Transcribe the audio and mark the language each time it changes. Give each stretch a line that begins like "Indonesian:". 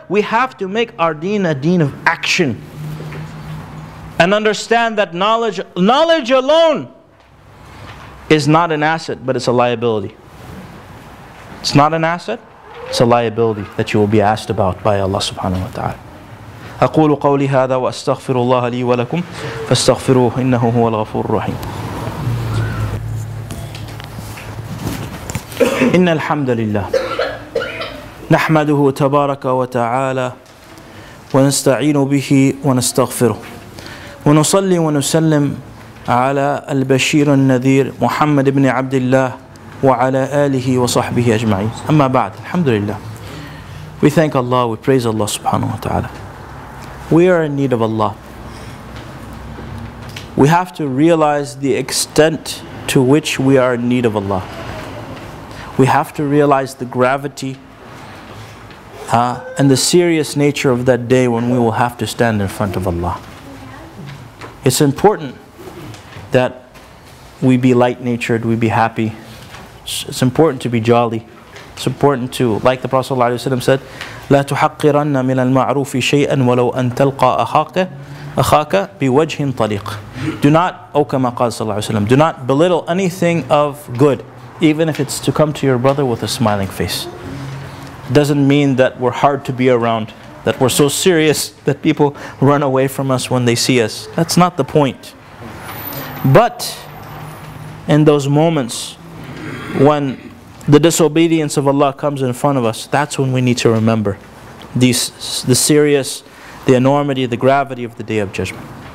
English: We have to make our deen a deen of action. And understand that knowledge alone is not an asset, but it's a liability. It's not an asset, it's a liability that you will be asked about by Allah subhanahu wa ta'ala.
Arabic: أقول قولي هذا وأستغفر الله لي ولكم فاستغفروه إنه هو الغفور الرحيم. إن الحمد لله نحمده تبارك وتعالى ونستعين به ونستغفره ونصلي ونسلم على البشير النذير محمد بن عبد الله وعلى آله وصحبه أجمعين. أما بعد الحمد لله.
English: We thank Allah, we praise Allah subhanahu wa ta'ala. We are in need of Allah. We have to realize the extent to which we are in need of Allah. We have to realize the gravity and the serious nature of that day when we will have to stand in front of Allah. It's important that we be light-natured, we be happy. It's important to be jolly. It's important to, like the Prophet ﷺ said,
Arabic: لا تحقرن من المعروف شيئا ولو أن تلقى أخاك بوجه طليق.
English: Do not, O
Arabic: كما قال صلى الله عليه وسلم,
English: do not belittle anything of good, even if it's to come to your brother with a smiling face. Doesn't mean that we're hard to be around. that we're so serious that people run away from us when they see us. That's not the point. But in those moments when the disobedience of Allah comes in front of us, that's when we need to remember the serious, the enormity, the gravity of the Day of Judgment.